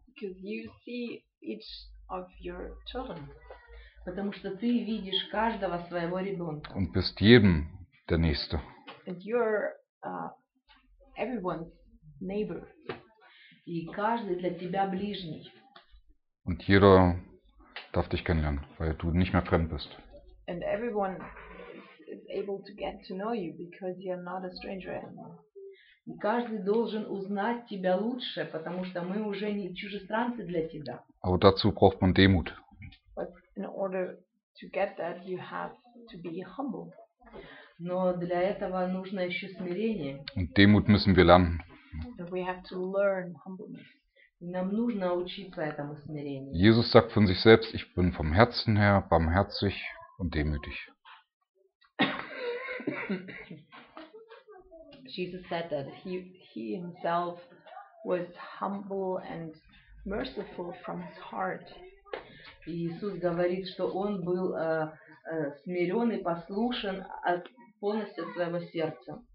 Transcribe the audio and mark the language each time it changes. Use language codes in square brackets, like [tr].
[en] Because you see each of your children. [ru] Потому что ты видишь каждого своего ребенка. [de] Und bist jedem der Nächste. [en] And you're everyone's neighbor. [ru] И каждый для тебя ближний. [de] Und jeder darf dich kennenlernen, weil du nicht mehr fremd bist. [en] And everyone is able to get to know you because you're not a stranger anymore. [ru] И каждый должен узнать тебя лучше, потому что мы уже не чужестранцы для тебя. [de] Aber dazu braucht man Demut. [en] But in order to get that, you have to be humble. [ru] Но для этого нужно еще смирение. [de] Und Demut müssen wir lernen. [en] And we have to learn humbleness. [ru] И нам нужно учиться этому смирению. [de] Jesus sagt von sich selbst, ich bin vom Herzen her barmherzig und demütig. [en] Jesus said that he himself was humble and merciful from his heart. [ru] Иисус говорит, что он был смирен и послушен от полностью своего сердца.